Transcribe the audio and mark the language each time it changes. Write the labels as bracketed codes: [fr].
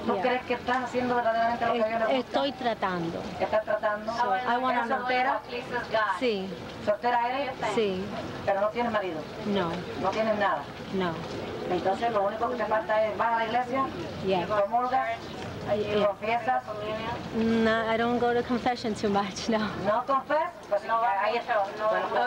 [es] ¿No crees que estás haciendo verdaderamente lo que Dios le gusta? Estoy tratando. ¿Estás tratando? [en] So, I wanna... [es] ¿Eres soltera? Sí. ¿Soltera eres? Sí. ¿Pero no tienes marido? No. ¿No tienes nada? No. Entonces lo único que te falta es vas a la iglesia, [en] yeah. [es] Y comulgas, yeah. Y confiesas. [en] No, I don't go to confession too much, no. [es] No confes, pues no va, ahí está, no, bueno,